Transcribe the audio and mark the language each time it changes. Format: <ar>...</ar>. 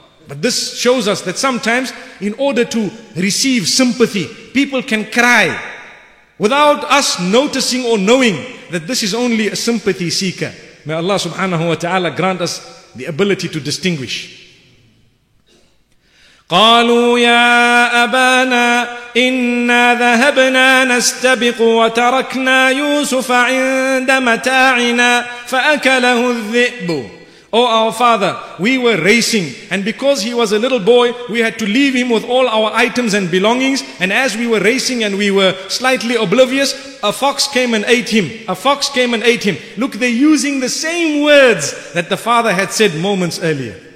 <en>But this shows us that sometimes in order to receive sympathy, people can cry without us noticing or knowing that this is only a sympathy seeker. May Allah subhanahu wa ta'ala grant us the ability to distinguish.</en> <ar>قالوا يا أبانا إنا ذهبنا نستبق وتركنا يوسف عند متاعنا فأكله الذئب.</ar> <en>Oh, our father, we were racing, and because he was a little boy, we had to leave him with all our items and belongings. And as we were racing and we were slightly oblivious, a fox came and ate him. A fox came and ate him. Look, they're using the same words that the father had said moments earlier.</en>